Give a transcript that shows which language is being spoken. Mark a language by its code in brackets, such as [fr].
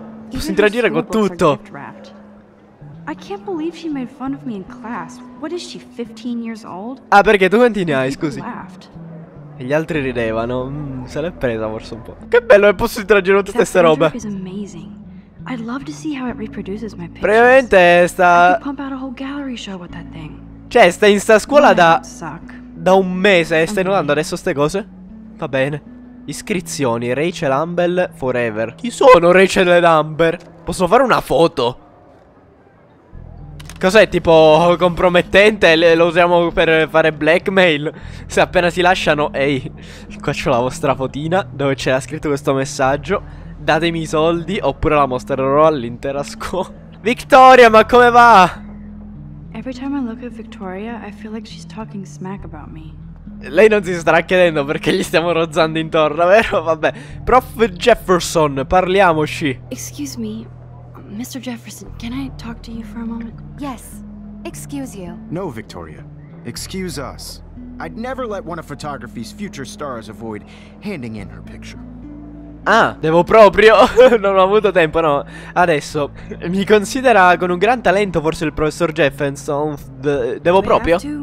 [it] Posso interagire con tutto. [en] I can't believe she made fun of me in class. What is she, 15 years old? [it] Ah, perché tu quanti ne hai, scusi? E gli altri ridevano. Se l'è presa forse un po'. Che bello che posso interagire con tutte queste robe. [en] I'd love to see how it reproduces my pictures. [it] Praticamente sta... [en] pump out a whole gallery show with that thing. [it] Cioè, sta in sta scuola da un mese e stai notando adesso ste cose? Va bene. Iscrizioni, Rachel Amber Forever. Chi sono Rachel Amber? Posso fare una foto? Cos'è, tipo compromettente? Lo usiamo per fare blackmail? Se appena si lasciano, ehi, qua c'ho la vostra fotina dove c'era scritto questo messaggio: datemi i soldi oppure la mostrerò all'intera scuola. Victoria, ma come va? [en] Every time I look at Victoria, I feel like she's talking smack about me. [it] Lei non si starà chiedendo perché gli stiamo rozzando intorno, vero? Vabbè. Prof. Jefferson, parliamoci. [en] Excuse me, Mr. Jefferson, can I talk to you for a moment? Yes, excuse you. No, Victoria, excuse us. I'd never let one of photography's future stars avoid handing in her picture. [it] Ah, devo proprio. Non ho avuto tempo, no. Adesso, mi considera con un gran talento forse il professor Jefferson. Devo proprio?